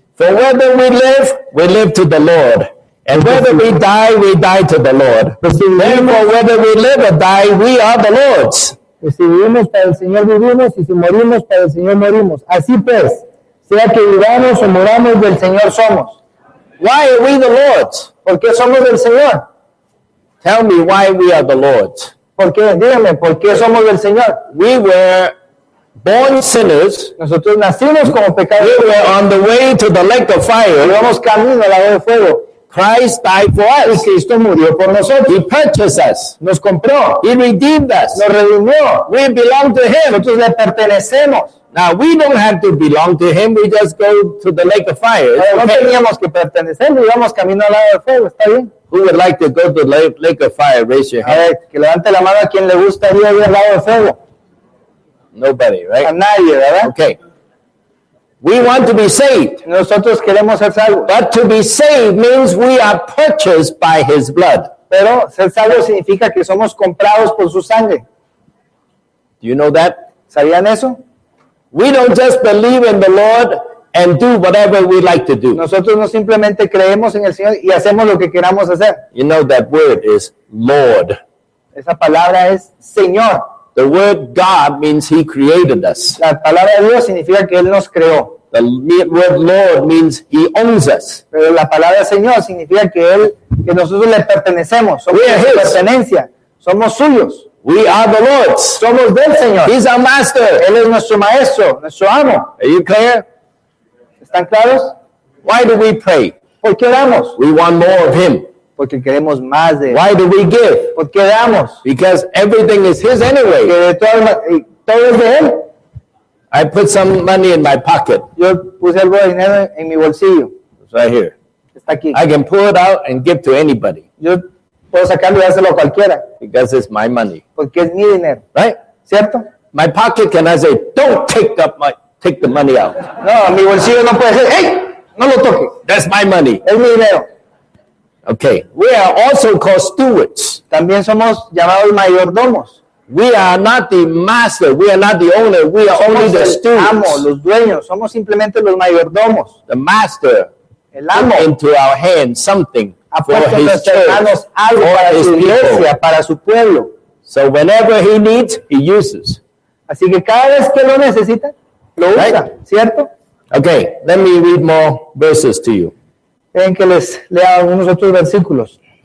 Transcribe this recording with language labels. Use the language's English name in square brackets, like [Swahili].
[English] For whether we live to the Lord. And whether we die to the Lord. Therefore, whether we live or die, we are the Lord's. [Spanish] Y si vivimos para el Señor, vivimos. Y si morimos para el Señor, morimos. Así pues, sea que vivamos o moramos, del Señor somos. [English] Why are we the Lord's? [Spanish] ¿Por qué somos del Señor? [English] Tell me why we are the Lord's. [Spanish] ¿Por qué? Dígame, ¿por qué somos del Señor? [English] We were born sinners. [Spanish] Nosotros nacimos como pecadores. [English] We were on the way to the lake of fire. [Spanish] Íbamos camino al lago de fuego. [English] Christ died for us. [Spanish] Y Cristo murió por nosotros. [English] He purchased us. [Spanish] Nos compró. [English] He redeemed us. [Spanish] Nos redimió. [English] We belong to him. [Spanish] Nosotros le pertenecemos. [English] Now we don't have to belong to him. We just go to the lake of fire. Okay. [Spanish] No teníamos que pertenecer. Íbamos camino al lago de fuego. Está bien. [English] Who would like to go to the lake of fire? Raise your hand. [Spanish] Que levante la mano a quien le gustaría ir al lago de fuego. [English] Nobody, right? [Spanish] A nadie, ¿verdad? [English] Okay. We want to be saved. [Spanish] Nosotros queremos ser salvos. [English] But to be saved means we are purchased by his blood. [Spanish] Pero ser salvo significa que somos comprados por su sangre. [English] Do you know that? [Spanish] ¿Sabían eso? [English] We don't just believe in the Lord and do whatever we like to do. [Spanish] Nosotros no simplemente creemos en el Señor y hacemos lo que queramos hacer. [English] You know that word is Lord. [Spanish] Esa palabra es Señor. [English] The word God means he created us. [Spanish] La palabra Dios significa que él nos creó. [English] The word Lord means he owns us. [Spanish] Pero la palabra Señor significa que él, que nosotros le pertenecemos, somos su pertenencia, somos suyos. [English] We are the Lord's. [Spanish] Somos del Señor. [English] He's our master. [Spanish] Él es nuestro maestro, nuestro amo. [English] Are you clear? [Spanish] ¿Están claros? [English] Why do we pray? [Spanish] ¿Por qué oramos? [English] We want more of him. [Spanish] Porque queremos más de él. [English] Why do we give? [Spanish] ¿Por qué damos? [English] Because everything is his anyway. [Spanish] Porque todo es de él. [English] I put some money in my pocket. [Spanish] Yo puse algo de dinero en mi bolsillo. [English] It's right here. [Spanish] Está aquí. [English] I can pull it out and give to anybody. [Spanish] Yo puedo sacarlo y dárselo a cualquiera. [English] Because it's my money. [Spanish] Porque es mi dinero. [English] Right? [Spanish] ¿Cierto? [English] My pocket cannot say, don't take up my, take the money out. [Spanish] No, mi bolsillo no puede decir, hey, no lo toque. [English] That's my money. [Spanish] Es mi dinero. [English] Okay, we are also called stewards. [Spanish] También somos llamados mayordomos. [English] We are not the master, we are not the owner, we are only the stewards. [Spanish] Somos el amo, los dueños, somos simplemente los mayordomos. [English] The master, [Spanish] el amo, [English] into our hands something for his church, [Spanish] algo para su iglesia, para su pueblo. [English] So whenever he needs, he uses. [Spanish] Así que cada vez que lo necesita, lo usa, right? ¿Cierto? [English] Okay, let me read more verses to you. [Spanish] En que les lea algunos otros versículos.